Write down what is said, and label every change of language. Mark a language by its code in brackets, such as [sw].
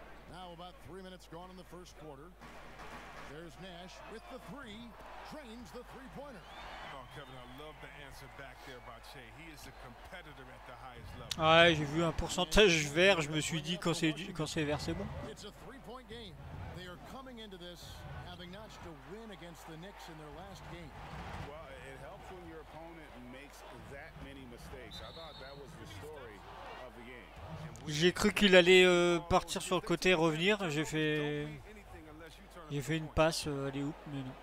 [en] Now about 3 minutes gone in the first quarter. There's Nash with the three. Trains the three-pointer. Kevin, I love the answer back there by Che. He is a competitor at the highest level. [fr] Ouais, j'ai vu un pourcentage vert, je me suis dit quand c'est vert, c'est bon. [en] It's a three-point game. They are coming into this having notched a win against the Knicks in their last game. Well, it helps when your opponent makes that many mistakes. I thought that was the story of the game. [fr] J'ai cru qu'il allait partir sur le côté et revenir. J'ai fait une passe aller où, mais non.